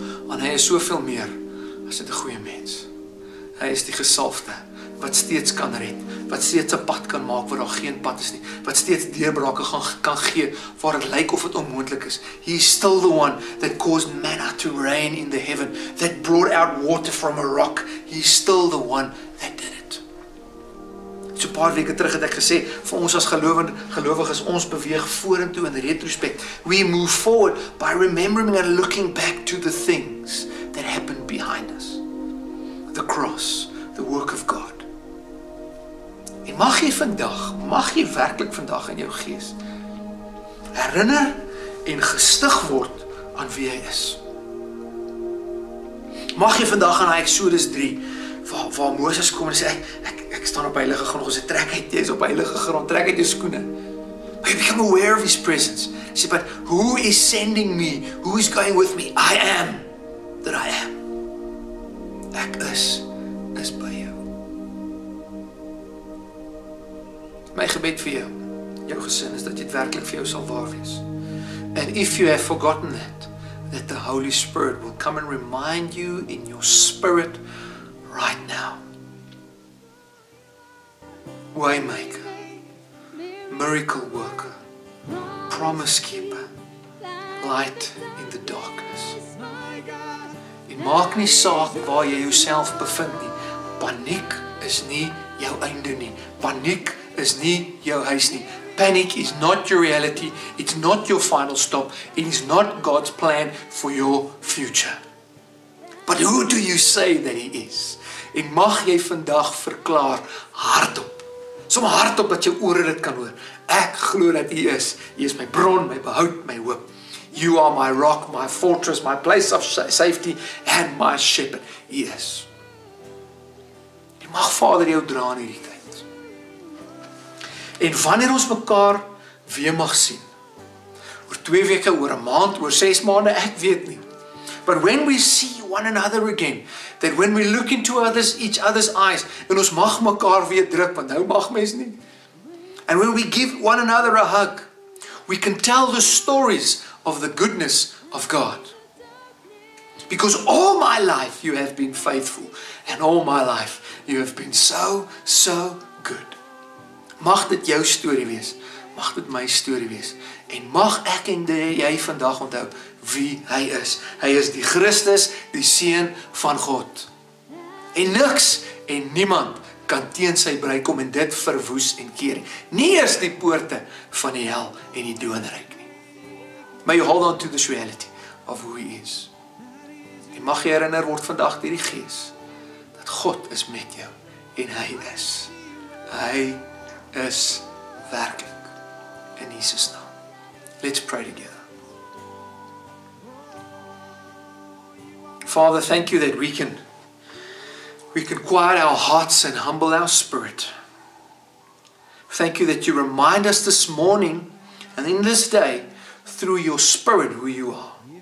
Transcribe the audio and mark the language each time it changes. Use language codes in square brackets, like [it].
[af] Want hy is soveel meer as dit 'n goeie mens. Hy is die gesalfde wat steeds kan red, wat steeds 'n pad kan maak waar daar geen pad is nie, wat steeds deurbrake kan gee waar het lyk of het onmoontlik is. [en] He is still the one that caused manna to rain in the heaven, that brought out water from a rock. He is still the one that did it. [af] So paar weke terug het ek gesê, vir ons as gelowiges, ons beweeg vorentoe in retrospect. [en] We move forward by remembering and looking back to the things that happened behind us. The cross, the work of God. [af] En mag jy vandag, mag jy werklik vandag in jou gees herinner en gestig word aan wie jy is. Mag jy vandag aan Exodus 3, waar Moses kom en sê, ek staan op heilige grond, sê, trek uit jy is op heilige grond, trek uit jy skoene. [en] But you become aware of his presence. Sê, but who is sending me? Who is going with me? I am that I am. [af] Ek is by jou. My gebed vir jou, jou gesin, is dat dit werklik vir jou sal waar wees. [en] And if you have forgotten that the Holy Spirit will come and remind you in your spirit right now. Waymaker, miracle worker, promise keeper, light in the darkness. [af] En maak nie saak waar jy jouself bevind nie. Paniek is nie jou einde nie. Paniek is nie jou huis nie. [en] Panic is not your reality. It's not your final stop. It is not God's plan for your future. But who do you say that he is? [af] En mag jy vandag verklaar hardop. Som hardop dat jou ore dit kan hoor. Ek glo dat hy is. Hy is my bron, my behoud, my hoop. [en] You are my rock, my fortress, my place of safety and my shepherd. [af] Hy is. Jy mag Vader jou dra in hierdie tyd. En wanneer ons mekaar weer mag sien, oor 2 weke, oor 1 maand, oor 6 maande, ek weet nie. [en] But when we see one another again, that when we look into each other's eyes, [af] en ons mag mekaar weer druk, want nou mag mens nie. [en] And when we give one another a hug, we can tell the stories of the goodness of God. Because all my life you have been faithful, and all my life you have been so, so good. [af] Mag dit jou story wees, mag dit my story wees, en mag ek en jy vandag onthou wie hy is. Hy is die Christus, die Seun van God. En niks en niemand kan teen sy breuk kom en dit verwoes en keer. Nie eens die poorte van die hel en die doodryk nie. [en] May you hold on to this reality of who he is. [af] En mag jy herinner word vandag deur die Gees, dat God is met jou en hy is. Hy is werklik in Jesus naam. [en] Let's pray together. Father, thank you that we can quiet our hearts and humble our spirit. Thank you that you remind us this morning and in this day through your spirit who you are.